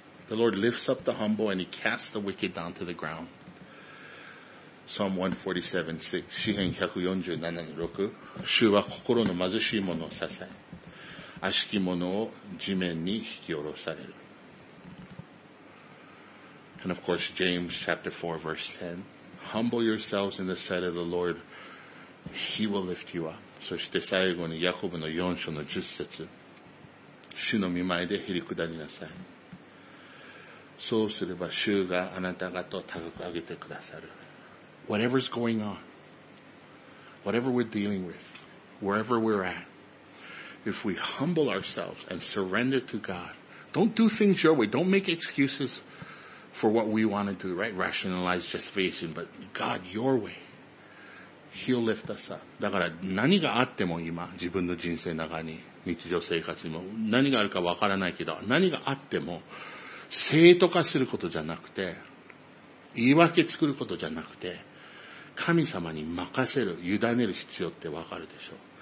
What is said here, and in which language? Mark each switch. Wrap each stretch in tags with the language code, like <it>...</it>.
<en>The Lord lifts up the humble and he casts the wicked down to the ground. Psalm 147:6,</en> <ja>詩編147:6, 主は心の貧しい者を支え、悪しき者を地面に引き下ろされる。</ja> <en>And of course, James chapter 4 verse 10, humble yourselves in the sight of the Lord, he will lift you up.</en> <ja>そして最後にヤコブの4章の10節。主の御前でへりくだりなさい。そうすれば主があなた方を高く上げてくださる。</ja> <en>Whatever's going on, whatever we're dealing with, wherever we're at, if we humble ourselves and surrender to God, Don't do things your way. Don't make excuses for what we want to do, right? Rationalize justification, but God, your way. He'll lift us up.</en> <ja>だから何があっても今、自分の人生の中に、日常生活にも、何があるかわからないけど、何があっても、正当化することじゃなくて、言い訳作ることじゃなくて、神様に任せる、委ねる必要ってわかるでしょう。</ja>